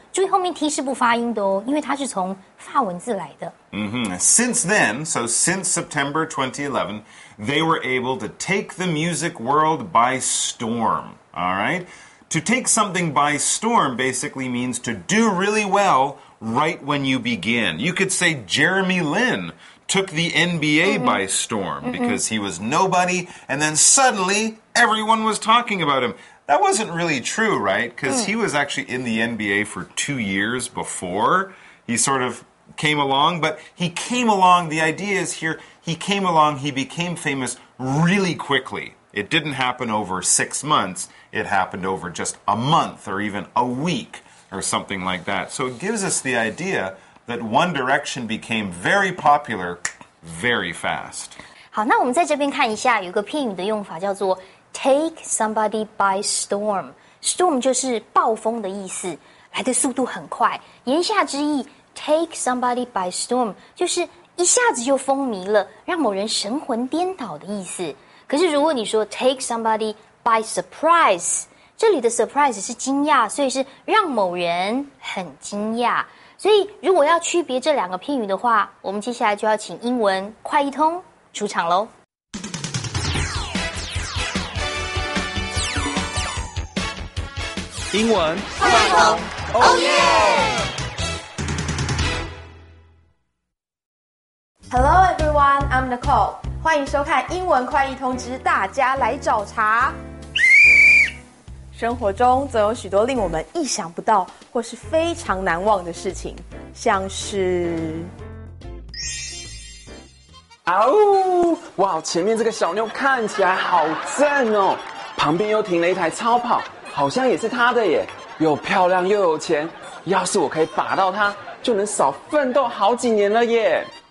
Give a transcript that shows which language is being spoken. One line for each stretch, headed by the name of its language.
Chinese: 注意后面 T 是不发音的哦，因为它是从法文字来的。
English: Mm-hmm. Since then, so since September 2011, they were able to take the music world by storm. All right. To take something by storm basically means to do really well right when you begin. You could say Jeremy Lin took the NBA、mm-hmm. by storm、mm-hmm. because he was nobody, and then suddenly everyone was talking about him. That wasn't really true, right? Because、mm. he was actually in the NBA for 2 years before he sort of came along. But he came along, the idea is here, he came along, he became famous really quickly. It didn't happen over 6 months. It happened over just a month or even a week or something like that. So it gives us the idea that One Direction became very popular very fast.
Chinese: 好，那我们在这边看一下，有个片语的用法叫做
English: take somebody by storm.
Chinese: Storm 就是暴风的意思，来的速度很快。言下之意 ，
English: take somebody by storm
Chinese: 就是一下子就风靡了，让某人神魂颠倒的意思。可是如果你说
English: take somebody by surprise，
Chinese: 这里的 surprise 是惊讶，所以是让某人很惊讶。所以如果要区别这两个片语的话，我们接下来就要请英文快译通出场咯。英文快译通
English: ，Oh yeah！ Hello everyone, I'm Nicole.
Chinese: 欢迎收看英文快译通之大家来找茬。生活中总有许多令我们意想不到或是非常难忘的事情，像是…… 啊呜！哇，前面这个小妞看起来好正哦，旁边又停了一台超跑，好像也是她的耶，又漂亮又有钱，要是我可以把到她，就能少奋斗好几年了耶。